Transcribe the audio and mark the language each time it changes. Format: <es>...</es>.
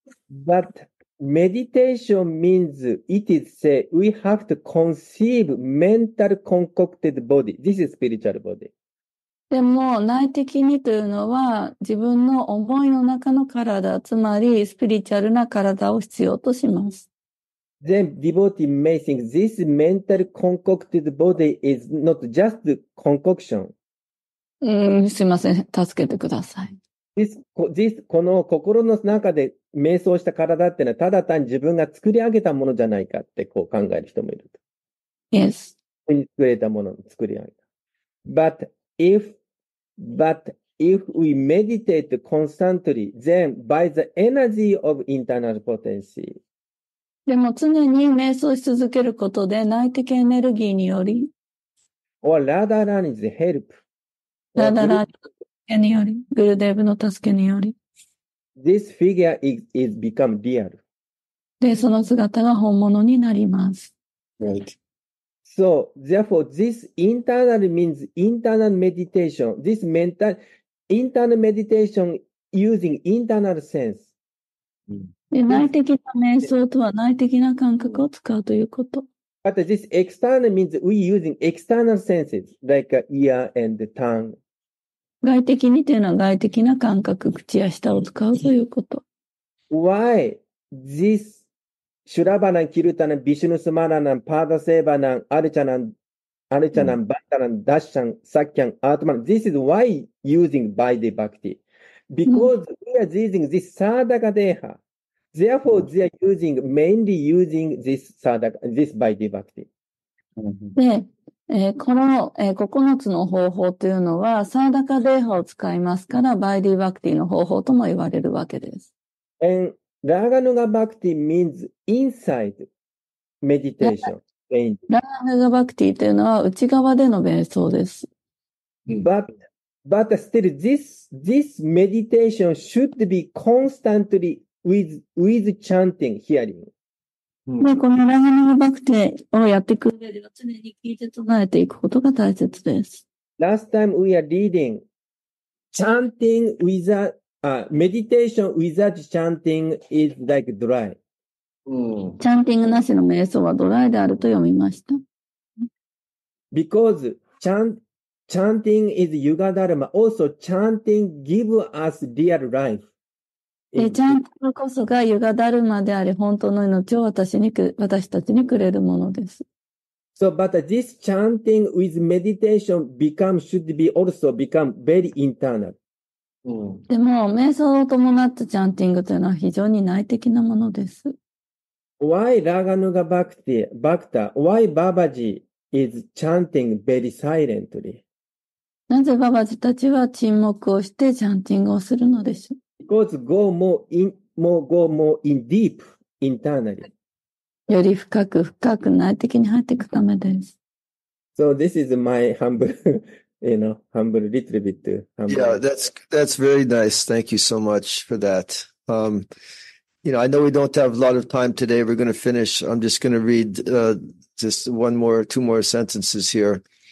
<en>But meditation means it is say we have to conceive mental concocted body. This is spiritual body.</en> <ja>でも内的にというのは自分の思いの中の体、つまりスピリチュアルな体を必要とします。</ja> <en>Then devotee may think this mental concocted body is not just concoction.</en> <ja>すいません、助けてください。この心の中で瞑想した体ってのはただ単に自分が作り上げたものじゃないかってこう考える人もいると。</ja> <en>Yes.</en> <ja>自分に作れたものを作り上げた。</ja> <en>But if we meditate constantly, then by the energy of internal potency,</en> <ja>でも常に瞑想し続けることで内的エネルギーにより</ja> <en>or rather than is help rather than</en> <ja>によりグルデーブの助けにより</ja> <en>this figure is become real</en> <ja>でその姿が本物になります</ja> <en>right so therefore this internal means internal meditation this mental internal meditation using internal sense、</en> <ja>で内的な瞑想とは内的な感覚を使うということ。</ja> <en>But this external means we using external senses, like ear and tongue.</en> <ja>外的にというのは外的な感覚、口や舌を使うということ。</ja> <en>Why this</en> <sa>シュラバナン、キルタナン、ビシュヌスマラナン、パーダセーバナン、アルチャナン、アルチャナン、バッタナン、ダッシャン、サッキャン、アートマナン。</sa> <en>This is why using Vaidhi Bhakti. Because we are using this Sadaka Deha. Therefore, they are using, mainly using this sadhaka, this Vaidhi Bhakti.</en> <ja>で、この、9つの方法というのは、サーダカデーハを使いますから、Vaidhi Bhakti の方法とも言われるわけです。</ja> <en>And Raganuga Bhakti means inside meditation.</en> <ja>Raganuga Bhakti というのは内側での瞑想です。</ja> <en>But still, this meditation should be constantlywith chanting, hearing.</en> <ja>で、このラガナガバクテをやってくれれば常に聞いて唱えていくことが大切です。</ja> <en>Last time we are reading, chanting without, meditation without chanting is like dry.</en> <ja>チャンティングなしの瞑想はドライであると読みました。</ja> <en>Because chanting is yuga dharma, also chanting give us real life.</en> <ja>で、ちゃんとこそがユガダルマであり、本当の命を私たちにくれるものです。</ja> <en>So, but this chanting with meditation should be also become very internal.</en> <ja>でも、瞑想を伴ったチャンティングというのは非常に内的なものです。</ja> <en>Why Raganuga Bhakti, Bhakta, why Babaji is chanting very silently?</en> <ja>なぜBabaji たちは沈黙をしてチャンティングをするのでしょう?</ja> <en>Because go more in deep internally.</en> <ja>より深く深く内的に入っていくためです。</ja> <en>So this is my humble, you know, humble little bit. Humble. Yeah, that's very nice. Thank you so much for that. You know, I know we don't have a lot of time today. We're going to finish. I'm just going to read, just two more sentences here.</en>